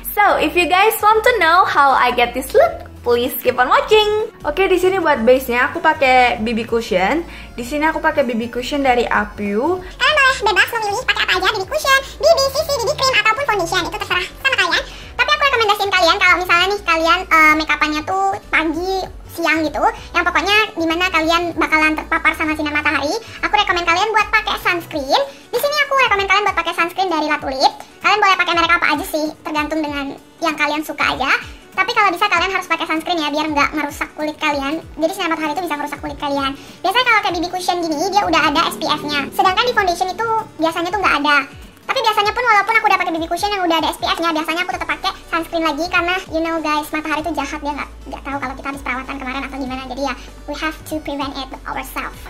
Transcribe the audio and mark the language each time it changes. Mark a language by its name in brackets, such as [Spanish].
[English] So, if you guys want to know how I get this look, please keep on watching. [Indonesian] Oke, di sini buat base-nya aku pakai BB cushion. Di sini aku pakai BB cushion dari Apiu. Kalian boleh bebas memilih pakai apa aja, BB cushion, BB, CC, BB cream ataupun foundation, itu terserah sama kalian. Tapi aku rekomendasiin kalian kalau misalnya nih kalian makeup-annya tuh pagi siang gitu, yang pokoknya dimana kalian bakalan terpapar sama sinar matahari, aku rekomen kalian buat pakai sunscreen. Di sini aku rekomen kalian buat pakai sunscreen dari Latulip. Kalian boleh pakai merek apa aja sih, tergantung dengan yang kalian suka aja. Tapi kalau bisa kalian harus pakai sunscreen ya, biar nggak merusak kulit kalian. Jadi sinar matahari itu bisa merusak kulit kalian. Biasanya kalau kayak BB cushion gini, dia udah ada SPF-nya. Sedangkan di foundation itu biasanya tuh nggak ada. Tapi biasanya pun walaupun aku udah pakai BB cushion yang udah ada SPF-nya, biasanya aku tetap pakai sunscreen lagi karena [English] you know guys, [Indonesian] matahari itu jahat, dia nggak tahu kalau kita habis perawatan kemarin atau gimana. Jadi ya, [English] we have to prevent it ourselves.